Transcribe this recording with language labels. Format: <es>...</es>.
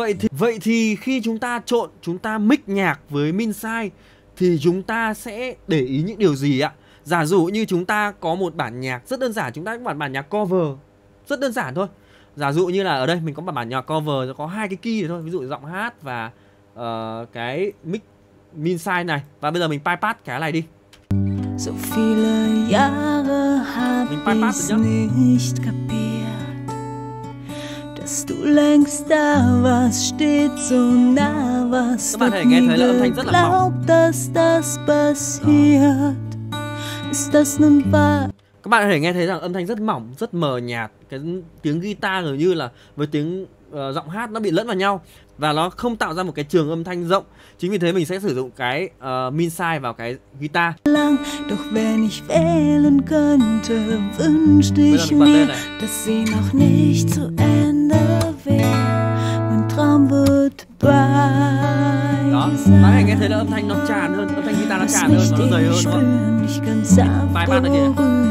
<vi>Vậy thì khi chúng ta trộn, chúng ta mix nhạc với min size thì chúng ta sẽ để ý những điều gì ạ? Giả dụ như chúng ta có một bản nhạc rất đơn giản, chúng ta có một bản nhạc cover rất đơn giản thôi. Giả dụ như là ở đây mình có một bản nhạc cover có hai cái key thôi, ví dụ giọng hát và cái mix min size này. Và bây giờ mình bypass cái này đi.</vi> <de>So viele Jahre hab ich nicht kapiert, dass du längst da warst, steht so nah, was du nie geglaubt, dass das passiert. Ist das nun wahr?</de> <vi>Các bạn có thể nghe thấy rằng âm thanh rất mỏng, rất mờ nhạt, cái tiếng guitar gần như là với tiếng giọng hát nó bị lẫn vào nhau và nó không tạo ra một cái trường âm thanh rộng. Chính vì thế mình sẽ sử dụng cái min size vào cái guitar.</vi> <de>Lang, doch wenn ich wählen könnte, wünschte ich mir, dass sie noch nicht zu Ende wäre. Mein Traum wird bei sein.</de> <vi>Đó, bạn nghe thấy là âm thanh nó tràn hơn, âm thanh guitar nó tràn hơn, nó dày hơn, đúng không? Bài bản ở kia.</vi>